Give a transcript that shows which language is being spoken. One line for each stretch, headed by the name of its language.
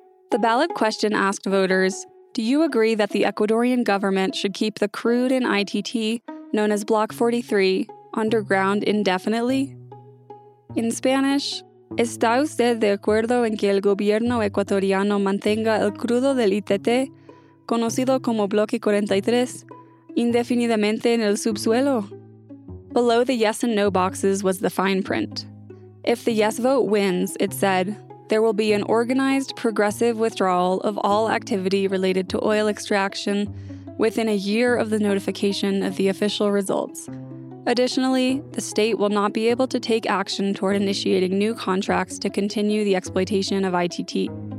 English: The ballot question asked voters, do you agree that the Ecuadorian government should keep the crude in ITT, known as Block 43, underground indefinitely? In Spanish,
Spanish: ¿está usted de acuerdo en que el gobierno ecuatoriano mantenga el crudo del ITT, conocido como Bloque 43, indefinidamente en el subsuelo?
English: Below the yes and no boxes was the fine print. If the yes vote wins, it said, there will be an organized, progressive withdrawal of all activity related to oil extraction within a year of the notification of the official results. Additionally, the state will not be able to take action toward initiating new contracts to continue the exploitation of ITT.